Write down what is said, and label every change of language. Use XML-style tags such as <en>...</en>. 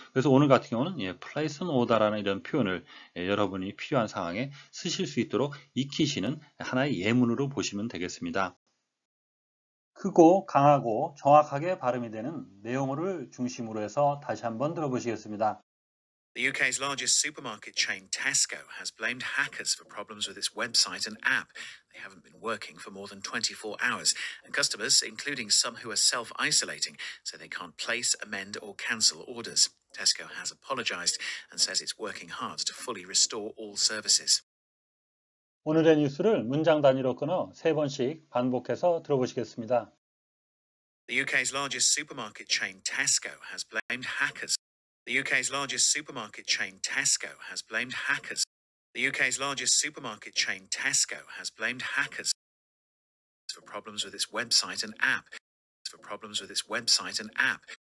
<ko>그래서 오늘 같은 경우는 place an order라는 이런 표현을 여러분이 필요한 상황에 쓰실 수 있도록 익히시는 하나의 예문으로 보시면 되겠습니다. 크고 강하고 정확하게 발음이 되는 내용을 중심으로 해서 다시 한번 들어보시겠습니다.</ko> <en>The UK's largest supermarket chain Tesco has blamed hackers for problems with its website and app. They haven't been working for more than 24 hours, and customers, including some who are self-isolating, say they can't place, amend, or cancel orders. Tesco has apologized and says it's working hard to fully restore all services.</en> <ko>오늘의 뉴스를 문장 단위로 끊어 세 번씩 반복해서 들어보시겠습니다.</ko> <en>The UK's largest supermarket chain Tesco has blamed hackers. The UK's largest supermarket chain Tesco has blamed hackers. The UK's largest supermarket chain Tesco has blamed hackers for problems with its website and app. For problems with its website and app.</en>